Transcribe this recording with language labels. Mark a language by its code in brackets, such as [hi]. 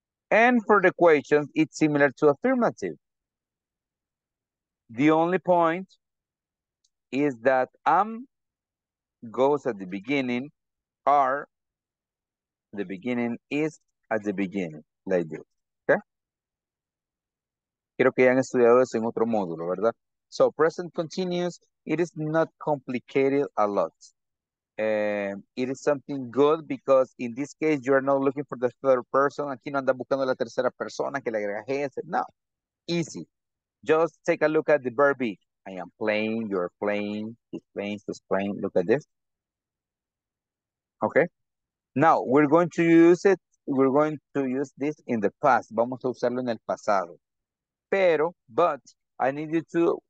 [en] And for the questions, it's similar to affirmative. The only point is that am goes at the beginning, are, the beginning is at the beginning, like this, okay? [es] Quiero que hayan estudiado eso en otro módulo, ¿verdad? [en] So present continuous, it is not complicated a lot. It is something good because in this case, you are not looking for the third person. [es] Aquí no anda buscando la tercera persona que le agrega ese. [en] No, easy. Just take a look at the verb be. I am playing, you're playing, he's playing, she's playing. Look at this. Okay. Now, we're going to use it. We're going to use this in the past. [es] Vamos a usarlo en el pasado. [en] Pero, but, I need you to